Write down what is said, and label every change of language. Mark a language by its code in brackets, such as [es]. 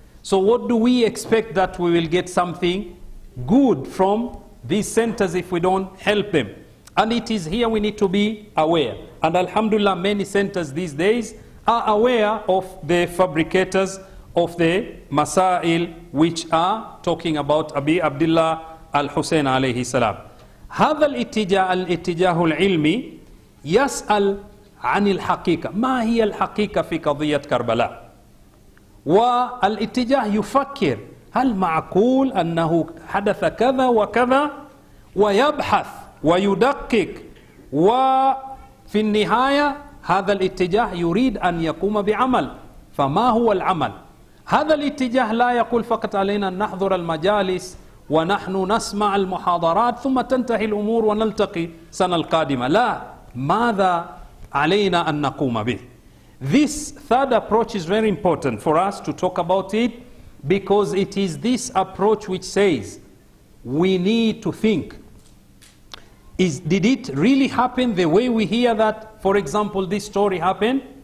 [en] So what do we expect that we will get something good from these centers if we don't help them? And it is here we need to be aware. And Alhamdulillah, many centers these days are aware of the fabricators of the Masail, which are talking about Abi Abdullah al-Hussein alayhi salam. [ar] هذا الاتجاه العلمي يسأل عن الحقيقة. ما هي الحقيقة في قضية كربلاء؟ والاتجاه يفكر هل معقول أنه حدث كذا وكذا؟ ويبحث ويدقق. وفي النهاية هذا الاتجاه يريد أن يقوم بعمل. فما هو العمل؟ هذا الاتجاه لا يقول فقط علينا أن نحضر المجالس ونحن نسمع المحاضرات ثم تنتهي الأمور ونلتقي سنة القادمة. لا. ماذا علينا أن نقوم به؟ [en] This third approach is very important for us to talk about it, because it is this approach which says we need to think. Did it really happen the way we hear that, for example, this story happened?